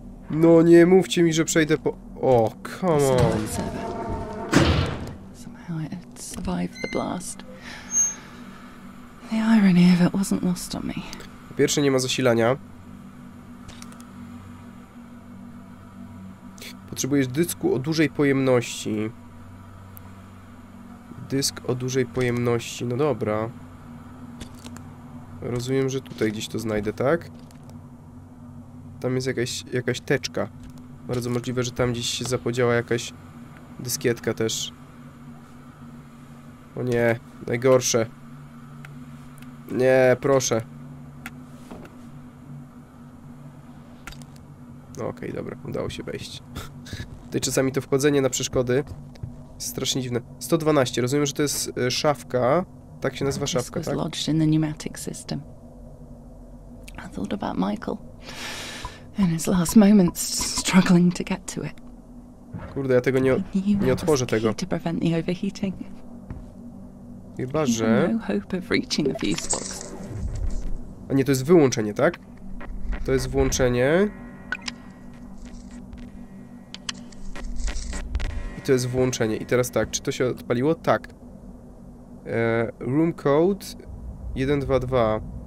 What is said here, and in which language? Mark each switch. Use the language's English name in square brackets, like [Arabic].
[Polish] No nie mówcie mi, że przejdę po... [English] O, come on. Somehow it survived the blast. The irony of it wasn't lost on me. [Polish] Po pierwsze, nie ma zasilania. Potrzebujesz dysku o dużej pojemności. Dysk o dużej pojemności. No dobra. Rozumiem, że tutaj gdzieś to znajdę, tak? Tam jest jakaś teczka. Bardzo możliwe, że tam gdzieś się zapodziała jakaś dyskietka też. O nie, najgorsze. Nie, proszę. Okej, dobra, udało się wejść. Tutaj czasami to wchodzenie na przeszkody jest strasznie dziwne. 112, rozumiem, że to jest szafka. Tak się nazywa szafka, tak? [English] Lodged in the pneumatic system. I thought about Michael. In his last moments, struggling to get to it. [Polish] Kurde, ja tego nie otworzę tego. [English] To prevent the overheating. [Polish] Chyba, że... [English] No hope of reaching the fuse box. [Polish] A nie, to jest wyłączenie, tak? To jest włączenie. I to jest włączenie. I teraz tak, czy to się odpaliło? Tak. [English] Room code 122.